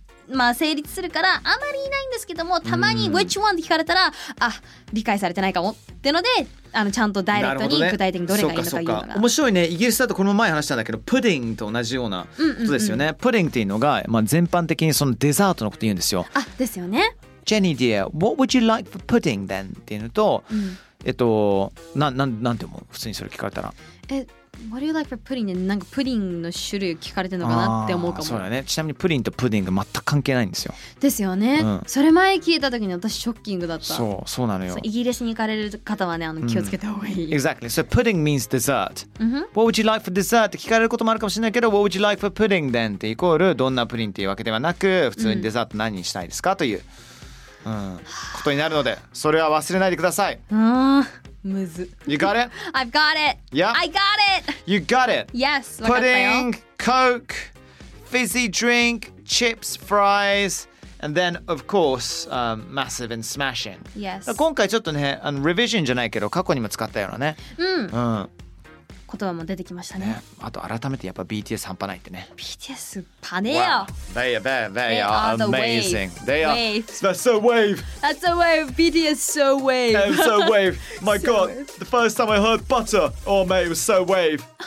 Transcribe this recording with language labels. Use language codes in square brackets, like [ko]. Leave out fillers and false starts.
[ja] まあ成立するからあまりいないんですけども、たまに Which one って聞かれたら、あ、理解されてないかもってので、あのちゃんとダイレクトに具体的にどれがいいのかいうのが、ね、面白いね。イギリスだとこの前話したんだけど、プディングと同じようなことですよね、うんうんうん、プディングっていうのが、まあ、全般的にそのデザートのこと言うんですよ。あ、ですよね。 [en] ジェニー dear, what would you like for pudding then? [ja] っていうのと、うん、なんて思う、普通にそれ聞かれたら。 [en] え、what do you like for pudding? [ja] で、なんかプリンの種類を聞かれてるのかなって思うかも。そうだね。ちなみにプリンとプディング全く関係ないんですよ。ですよね。うん、それ前聞いた時に私ショッキングだった。そう、そうなのよ。イギリスに行かれる方はね、あの気をつけた方がいい。うん、 [en] exactly. So pudding means dessert.、うん、what would you like for dessert? って聞かれることもあるかもしれないけど、what would you like for pudding then? [ja] ってイコール、どんなプリンっていうわけではなく、普通にデザート何にしたいですか、うん、という。うん、ことになるので、それは忘れないでください。あ、むず。 [en] You got it? I've got it、 yep. I got it! You got it! Yes! Pudding, Coke, fizzy drink, chips, fries, and then of course、massive and smashing. Yes. [ja] 今回ちょっとね、あの revision じゃないけど過去にも使ったようなね、うん、うん、言葉も出てきましたね。あと改めてやっぱ BTS 半端ないってね。 BTS パネよ。 [en] They are amazing. They are That's a wave. That's a wave. BTS so wave. And so wave. My so god wave. The first time I heard Butter, oh mate, it was so wave.